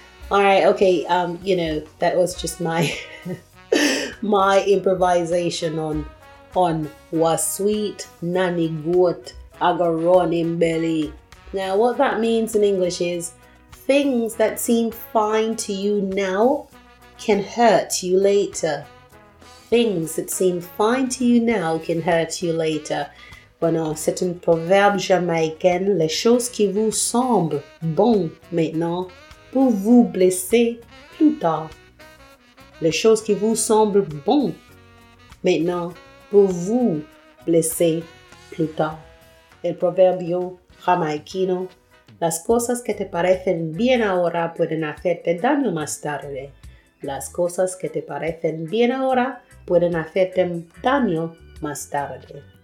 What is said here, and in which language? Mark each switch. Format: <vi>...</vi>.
<en>All right, okay, you know, that was just my my improvisation on what sweet nanny goat a go running belly. Now, what that means in English is things that seem fine to you now can hurt you later. Things that seem fine to you now can hurt you later.</en> <fr>Bueno, c'est un proverbe jamaïcain. Les choses qui vous semblent bon maintenant pour vous blesser plus tard. Les choses qui vous semblent bon maintenant pour vous blesser plus tard.</fr> <es>El proverbio jamaïquino. Las cosas que te parecen bien ahora pueden hacerte daño más tarde. Las cosas que te parecen bien ahora pueden hacerte daño más tarde.</es>